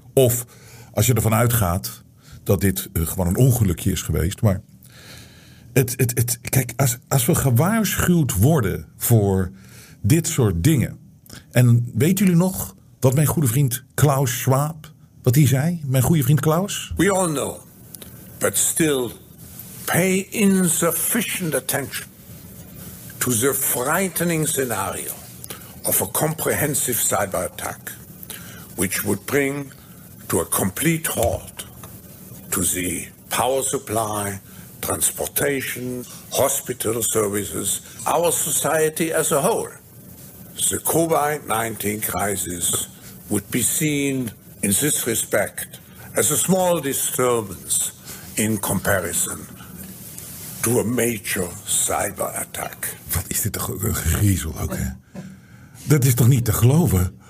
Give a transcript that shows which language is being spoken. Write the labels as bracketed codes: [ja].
[nl] Of als je ervan uitgaat dat dit gewoon een ongelukje is geweest. Maar kijk, als we gewaarschuwd worden voor dit soort dingen. En weten jullie nog wat mijn goede vriend Klaus Schwab, wat hij zei? Mijn goede vriend Klaus? [en] We all know, but still pay insufficient attention to the frightening scenario of a comprehensive cyber attack, which would bring to a complete halt to the power supply, transportation, hospital services, our society as a whole. The COVID-19 crisis would be seen in this respect as a small disturbance in comparison to a major cyber attack. [nl] Wat is dit toch een griezel ook, hè? Dat is toch niet te geloven?